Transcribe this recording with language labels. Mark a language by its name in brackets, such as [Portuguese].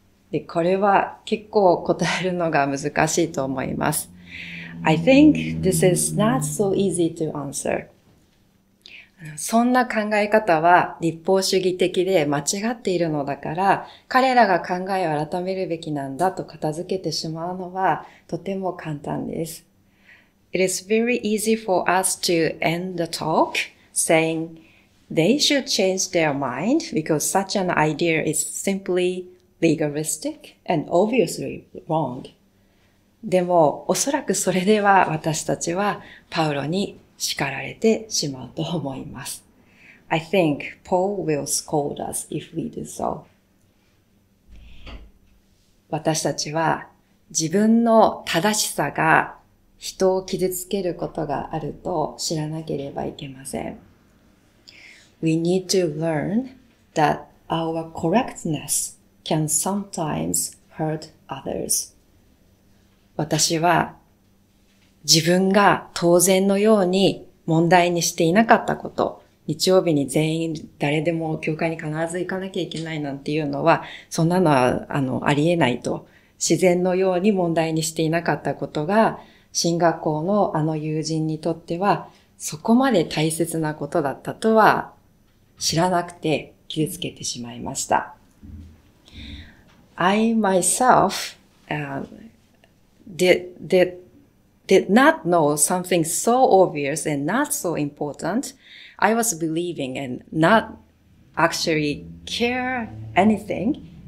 [Japanese] で、これは結構答えるのが難しいと思います。 [English] I think this is not so easy to answer. [Japanese] そんな考え方は立法主義的で間違っているのだから、彼らが考えを改めるべきなんだと片付けてしまうのはとても簡単です。 [English] It is very easy for us to end the talk saying they should change their mind because such an idea is simply legalistic and obviously wrong. [Japanese] でも、おそらくそれでは私たちはパウロに叱られてしまうと思います。 [English] I think Paul will scold us if we do so. [Japanese] 私たちは自分の正しさが人を傷つけることがあると知らなければいけません。 [English] We need to learn that our correctness can sometimes hurt others. [Japanese] 私は自分が当然のように問題にしていなかったこと、日曜日に全員誰でも教会に必ず行かなきゃいけないなんていうのは、そんなのはありえないと。自然のように問題にしていなかったことが、進学校のあの友人にとっては、そこまで大切なことだったとは、知らなくて傷つけてしまいました。 [English] I myself, did not know something so obvious and not so important. I was believing and not actually care anything.